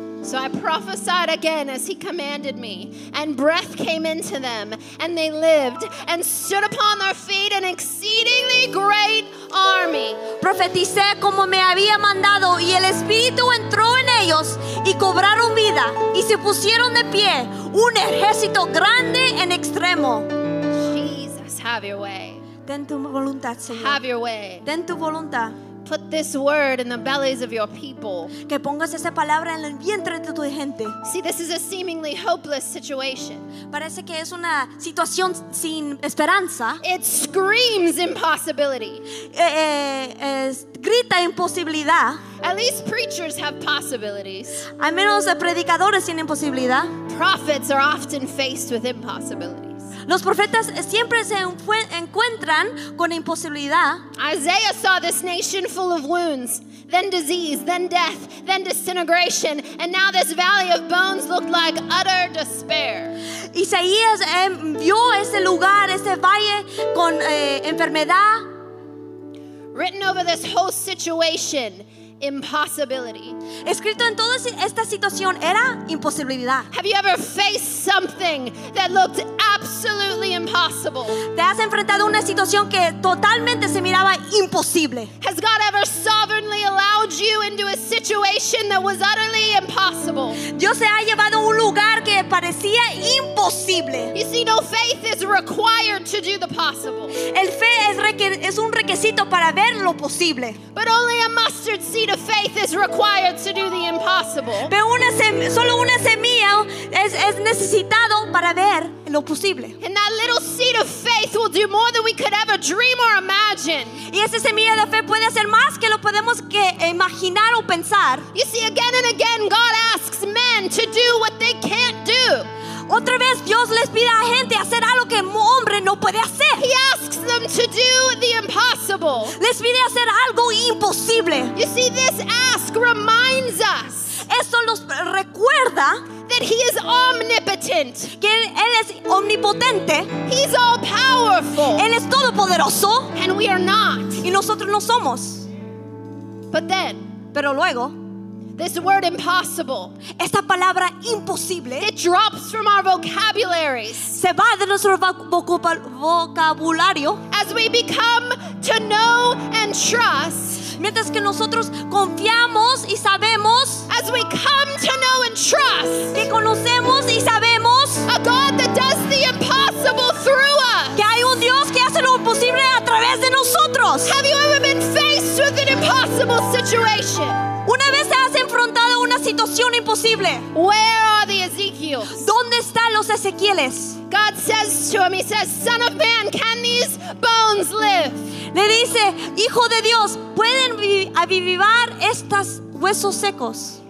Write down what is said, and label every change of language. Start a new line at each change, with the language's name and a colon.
English: So I prophesied again as he commanded me, and breath came into them, and they lived, and stood upon their feet an exceedingly great army.
Spanish: Profeticé como me había mandado, y el espíritu entró en ellos, y cobraron vida, y se pusieron de pie un ejército grande en extremo.
English: Jesus, have your way.
Spanish: Ten tu voluntad, Señor.
English: Have your way.
Spanish: Ten tu voluntad.
English: put this word in the bellies of your people.
Spanish: Que pongas esa palabra en el vientre de tu gente.
English: See, this is a seemingly hopeless situation.
Spanish: Parece que es una situación sin esperanza.
English: It screams impossibility.
Spanish: Grita imposibilidad.
English: At least preachers have possibilities.
Spanish: Al menos predicadores tienen posibilidad.
English: Prophets are often faced with impossibilities.
Spanish: Los profetas siempre se encuentran con imposibilidad.
English: Isaiah saw this nation full of wounds, then disease, then death, then disintegration, and now this valley of bones looked like utter despair.
Spanish: Isaías vio ese lugar, ese valle con enfermedad.
English: Written over this whole situation, impossibility.
Spanish: Escrito en toda esta situación era imposibilidad.
English: Have you ever faced something that looked absolutely impossible?
Spanish: ¿Te has enfrentado a una situación que totalmente se miraba imposible?
English: Has God ever sovereignly allowed you into a situation that was utterly impossible?
Spanish: Dios se ha llevado a un lugar que parecía imposible.
English: You see, no faith is required to do the possible.
Spanish: El fe es un requisito para ver lo posible.
English: But only a mustard seed of faith is required to do the impossible.
Spanish: Pero solo una semilla es necesitado para ver lo posible.
English: And that little seed of faith will do more than we could ever dream or imagine.
Spanish: Y esa semilla de fe puede hacer más que lo podemos que imaginar o pensar.
English: You see, again and again, God asks men to do what they can't do.
Spanish: Otra vez Dios les pide a la gente hacer algo que un hombre no puede hacer.
English: He asks them to do the impossible.
Spanish: Les pide hacer algo imposible.
English: You see, this ask reminds us.
Spanish: Esto nos recuerda.
English: That he is omnipotent.
Spanish: Que él es omnipotente.
English: He's all powerful.
Spanish: Él es todopoderoso.
English: And we are not.
Spanish: Y nosotros no somos.
English: But then.
Spanish: Pero luego.
English: This word impossible.
Spanish: Esta palabra imposible.
English: It drops from our vocabularies.
Spanish: Se va de nuestro vocabulario.
English: As we become to know and trust.
Spanish: Mientras que nosotros confiamos y sabemos.
English: As we come to know and trust.
Spanish: Que conocemos y sabemos.
English: A God that does the impossible through us.
Spanish: Que hay un Dios que hace lo imposible a través de nosotros.
English: Have you ever been faced with an impossible situation?
Spanish: Una vez te has enfrentado a una situación imposible.
English: Where are the Ezekiels?
Spanish: ¿Dónde están los Ezequieles?
English: God says to him, he says, son of man, can these bones live?
Spanish: Le dice, hijo de Dios, ¿pueden avivar estos huesos secos?